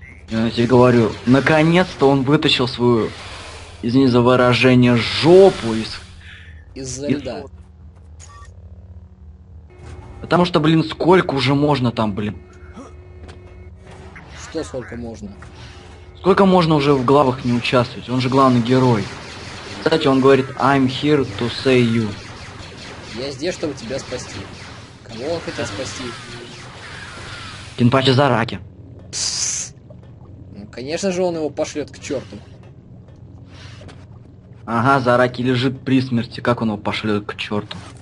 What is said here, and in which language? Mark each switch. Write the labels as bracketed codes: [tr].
[ru] Я тебе говорю, наконец-то он вытащил свою, извини за выражение, жопу из... Из-за льда. Потому что, блин, сколько уже можно там, блин? Что сколько можно? Сколько можно уже в главах не участвовать? Он же главный герой. Кстати, он говорит, [en] I'm here to save you. [ru] Я здесь, чтобы тебя спасти. Кого он хотел спасти? Кенпачи Зараки. Конечно же, он его пошлет к черту. Ага, Зараки лежит при смерти, как он его пошлет к черту?